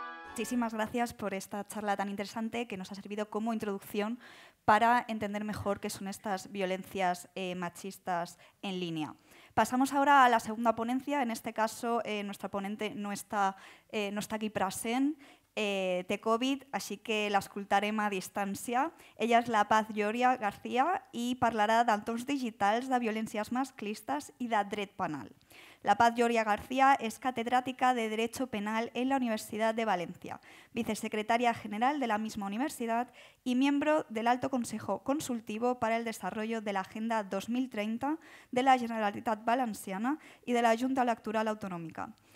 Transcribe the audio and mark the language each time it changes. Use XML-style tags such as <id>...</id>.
<es>Muchísimas gracias por esta charla tan interesante que nos ha servido como introducción para entender mejor qué son estas violencias machistas en línea. Pasamos ahora a la segunda ponencia. En este caso, nuestra ponente no está aquí present, de COVID, así que</es> <ca>la escoltarem a distància. Ella és la Paz Lloria García i parlarà d'entorns digitals, de violències masclistes i de dret penal.</ca> <es>La Paz Lloria García es catedrática de Derecho Penal en la Universidad de Valencia, vicesecretaria general de la misma universidad y miembro del Alto Consejo Consultivo para el Desarrollo de la Agenda 2030 de la Generalitat Valenciana y de la Junta Electoral Autonómica.</es>